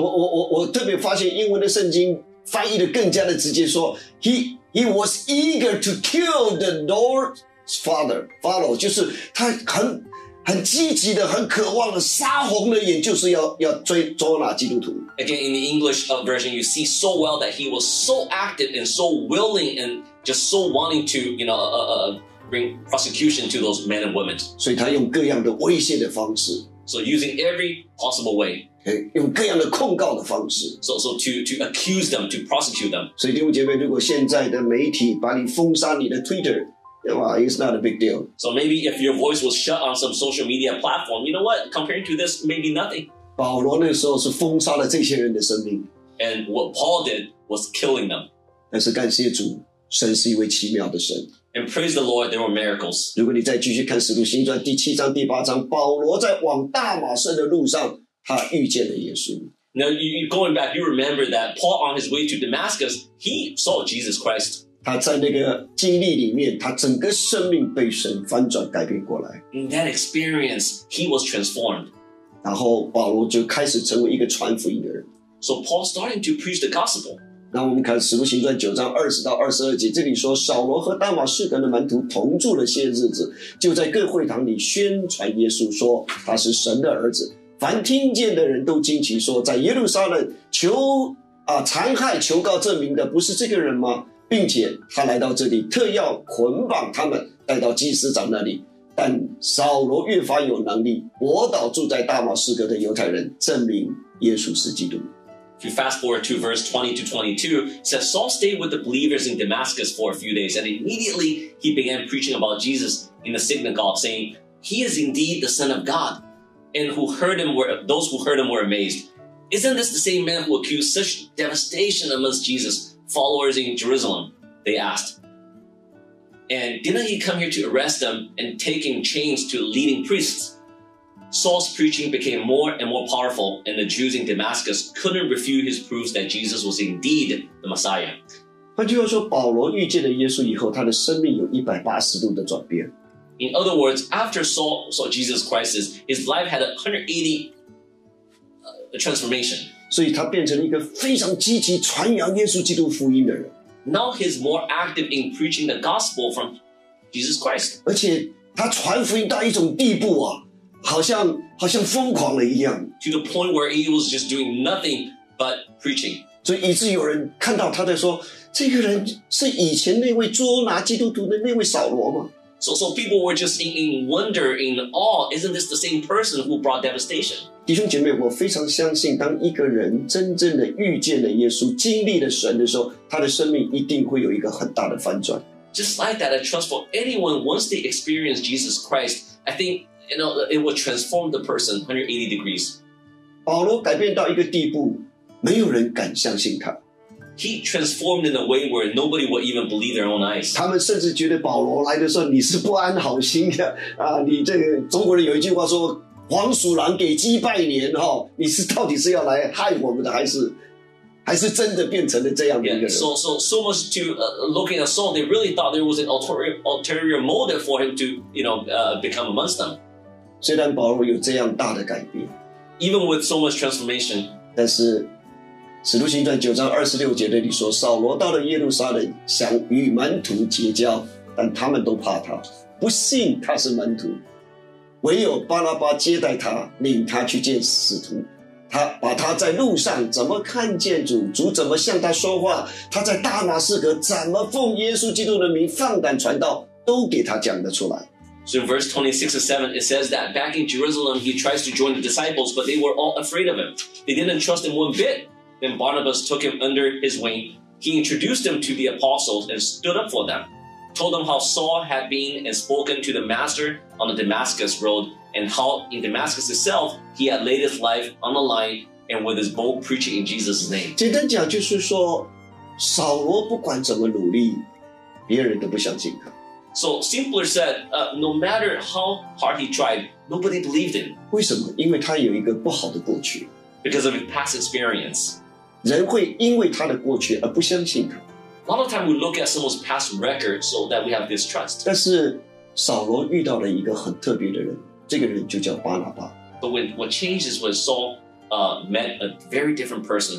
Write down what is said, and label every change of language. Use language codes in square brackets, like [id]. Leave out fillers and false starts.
[zh] 我特别发现英文的圣经翻译的更加的直接说 [en] he was eager to kill the Lord's follower, [zh] 就是他很积极的很渴望的杀红了眼就是要追捉拿基督徒。 [en] Again, in the English version, you see so well that he was so active and so willing and just so wanting to, you know, bring prosecution to those men and women. [zh] 所以他用各样的威胁的方式。 [en] So using every possible way. [zh] 用各样的控告的方式。 [en] So to accuse them, to prosecute them. [zh] 所以弟兄姐妹，如果现在的媒体把你封杀你的 Twitter, [en] it's not a big deal. So maybe if your voice was shut on some social media platform, you know what? Compared to this, maybe nothing. [zh] 保罗那时候是封杀了这些人的生命。 [en] And what Paul did was killing them. [zh] 但是感谢主，神是一位奇妙的神。 [en] And praise the Lord, there were miracles. [zh] 如果你再继续看《使徒行传》第七章、第八章，保罗在往大马色的路上，他遇见了耶稣。 [en] Now, going back, you remember that Paul on his way to Damascus, he saw Jesus Christ. [zh] 他在那个经历里面，他整个生命被神翻转改变过来。 [en] In that experience, he was transformed. [zh] 然后保罗就开始成为一个传福音的人。 [en] So Paul started to preach the gospel. [zh] 那我们看《使徒行传》九章二十到二十二节，这里说扫罗和大马士革的门徒同住了些日子，就在各会堂里宣传耶稣，说他是神的儿子。凡听见的人都惊奇，说在耶路撒冷残害求告这名的，不是这个人吗？并且他来到这里，特要捆绑他们，带到祭司长那里。但扫罗越发有能力，驳倒住在大马士革的犹太人，证明耶稣是基督。 [en] If you fast forward to verse 20 to 22, it says, Saul stayed with the believers in Damascus for a few days, and immediately he began preaching about Jesus in the synagogue, saying, He is indeed the Son of God. And those who heard him were amazed. Isn't this the same man who accused such devastation amongst Jesus' followers in Jerusalem? They asked. And didn't he come here to arrest them and take in chains to leading priests? Saul's preaching became more and more powerful, and the Jews in Damascus couldn't refute his proofs that Jesus was indeed the Messiah. [zh] 换句话说，保罗遇见了耶稣以后，他的生命有180度的转变。 [en] In other words, after Saul saw Jesus Christ, his life had a 180 transformation. [zh] 所以他变成了一个非常积极传扬耶稣基督福音的人。 [en] Now he's more active in preaching the gospel from Jesus Christ. [zh] 而且他传福音到一种地步啊。好像疯狂了一样 [en] to the point where he was just doing nothing but preaching. [zh] 所以以致有人看到他在说，这个人是以前那位捉拿基督徒的那位扫罗吗？ [en] So people were just in wonder, in awe. Isn't this the same person who brought devastation? [zh] 弟兄姐妹，我非常相信，当一个人真正的遇见了耶稣，经历了神的时候，他的生命一定会有一个很大的翻转。 [en] Just like that, I trust for anyone once they experience Jesus Christ, I think. You know, it will transform the person 180 degrees. [zh] 保罗改变到一个地步，没有人敢相信他。 [en] He transformed in a way where nobody would even believe their own eyes. [zh] 他们甚至觉得保罗来的时候你是不安好心的啊！你这个中国人有一句话说，黄鼠狼给鸡拜年哈、哦，你是到底是要来害我们的，还是真的变成了这样的一个人 [en] yeah, so much to looking at Saul, they really thought there was an ulterior motive for him to, you know, become amongst them. [zh] 虽然保罗有这样大的改变 [en] even with so much transformation, [zh] 但是使徒行传九章二十六节那里说，扫罗到了耶路撒冷，想与门徒结交，但他们都怕他，不信他是门徒。唯有巴拉巴接待他，领他去见使徒。他把他在路上怎么看见主，主怎么向他说话，他在大马士革怎么奉耶稣基督的名放胆传道，都给他讲得出来。 [en] So in verse 26 and 7, it says that back in Jerusalem, he tries to join the disciples, but they were all afraid of him. They didn't trust him one bit. Then Barnabas took him under his wing. He introduced him to the apostles and stood up for them, told them how Saul had been and spoken to the master on the Damascus road, and how in Damascus itself, he had laid his life on the line and with his bold preaching in Jesus' name. [zh] 简单讲就是说，扫罗不管怎么努力，别人都不相信他。 [en] So, simpler said, no matter how hard he tried, nobody believed him. [zh] 为什么？因为他有一个不好的过去。 [en] Because of his past experience. [zh] 人会因为他的过去而不相信他。 [en] A lot of time we look at someone's past record so that we have distrust. [zh] 但是扫罗遇到了一个很特别的人，这个人就叫巴拿巴。 [en] But what changed is when Saul met a very different person.